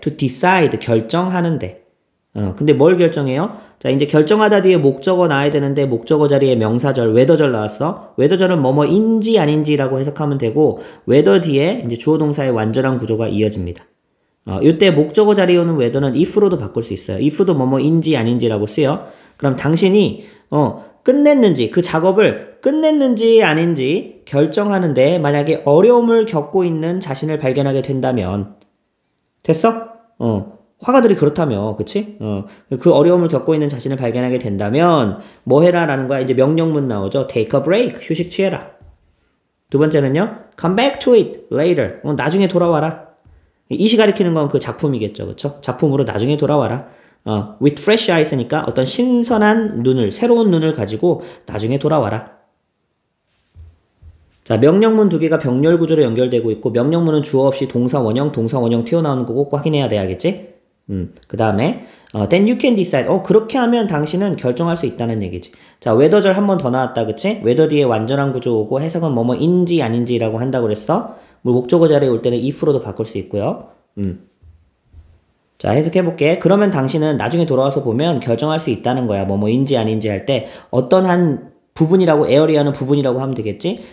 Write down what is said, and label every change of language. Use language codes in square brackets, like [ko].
[en] to decide, [ko] 결정하는데. 근데 뭘 결정해요? 자, 이제 결정하다 뒤에 목적어 나와야 되는데 목적어 자리에 명사절 whether절 나왔어. whether절은 뭐뭐인지 아닌지라고 해석하면 되고 whether 뒤에 이제 주어 동사의 완전한 구조가 이어집니다. 이때 목적어 자리에 오는 whether는 if로도 바꿀 수 있어요. if도 뭐뭐인지 아닌지라고 쓰여. 그럼 당신이 끝냈는지, 그 작업을 끝냈는지 아닌지 결정하는데 만약에 어려움을 겪고 있는 자신을 발견하게 된다면 됐어? 화가들이 그렇다며, 그치? 그 어려움을 겪고 있는 자신을 발견하게 된다면 뭐 해라 라는 거야? 이제 명령문 나오죠. [en] take a break, [ko] 휴식 취해라. 두 번째는요, [en] come back to it later, [ko] 나중에 돌아와라. 이시 가리키는 건 그 작품이겠죠, 그쵸? 작품으로 나중에 돌아와라. [en] With fresh eyes [ko] 니까 어떤 신선한 눈을, 새로운 눈을 가지고 나중에 돌아와라. 자, 명령문 두 개가 병렬 구조로 연결되고 있고 명령문은 주어 없이 동사원형 튀어나오는 거고 확인해야 돼야겠지? 그 다음에 [en] then you can decide. [ko] 그렇게 하면 당신은 결정할 수 있다는 얘기지. 자, whether절 한 번 더 나왔다, 그치? whether 뒤에 완전한 구조 오고 해석은 뭐뭐인지 아닌지라고 한다고 그랬어. 목적어 자리에 올 때는 if로도 바꿀 수 있고요. 자, 해석해볼게. 그러면 당신은 나중에 돌아와서 보면 결정할 수 있다는 거야. 뭐뭐인지 아닌지 할 때 어떤 한 부분이라고, 에어리아는 부분이라고 하면 되겠지?